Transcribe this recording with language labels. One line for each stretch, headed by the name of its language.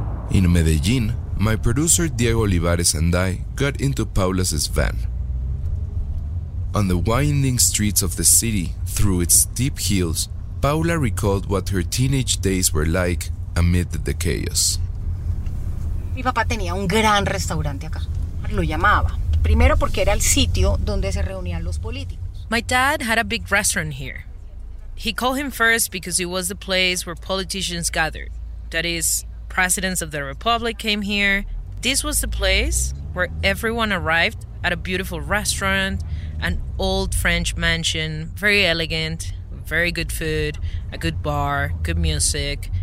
English: In Medellin, my producer Diego Olivares and I got into Paula's van. On the winding streets of the city, through its steep hills, Paula recalled what her teenage days were like amid the chaos.
Spanish: Mi papá tenía un gran restaurante acá. Lo llamaba. Primero porque era el sitio donde se reunían los políticos.
English: My dad had a big restaurant here. He called him first because it was the place where politicians gathered. That is, presidents of the republic came here. This was the place where everyone arrived at a beautiful restaurant, an old French mansion, very elegant, very good food, a good bar, good music.